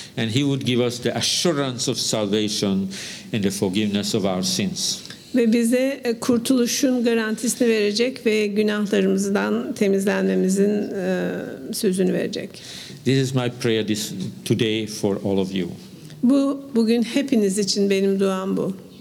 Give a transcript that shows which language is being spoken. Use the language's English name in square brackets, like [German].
[English] And he would give us the assurance of salvation and the forgiveness of our sins. [Turkish] Ve bize kurtuluşun garantisini verecek ve günahlarımızdan temizlenmemizin sözünü verecek. [English] This is my prayer today for all of you. [Turkish] Bu bugün hepiniz için benim duam bu.